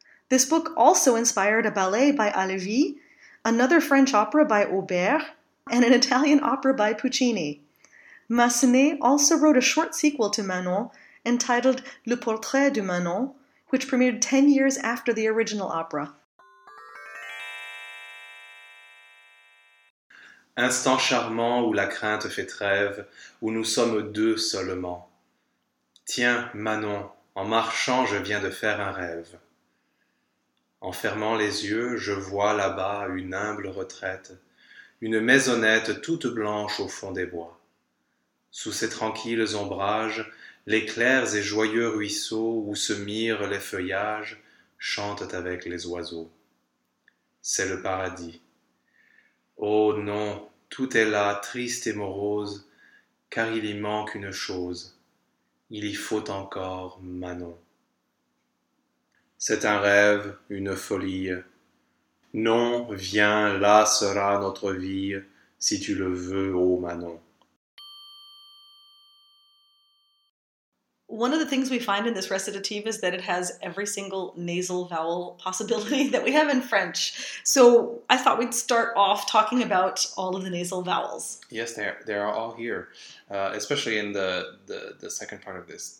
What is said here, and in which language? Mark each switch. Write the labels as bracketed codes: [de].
[en] This book also inspired a ballet by Halévy, another French opera by Auber, and an Italian opera by Puccini. Massenet also wrote a short sequel to Manon, entitled Le Portrait de Manon, which premiered 10 years after the original opera. [fr] Instant charmant où la crainte fait trêve, où nous sommes deux seulement. Tiens, Manon, en marchant, je viens de faire un rêve. En fermant les yeux, je vois là-bas une humble retraite, une maisonnette toute blanche au fond des bois. Sous ses tranquilles ombrages, les clairs et joyeux ruisseaux où se mirent les feuillages chantent avec les oiseaux. C'est le paradis. Oh non, tout est là, triste et morose, car il y manque une chose. Il y faut encore Manon. C'est un rêve, une folie. Non, viens, là sera notre vie, si tu le veux, ô Manon. [en] One of the things we find in this recitative is that it has every single nasal vowel possibility that we have in French. So I thought we'd start off talking about all of the nasal vowels. Yes, they are all here, especially in the second part of this.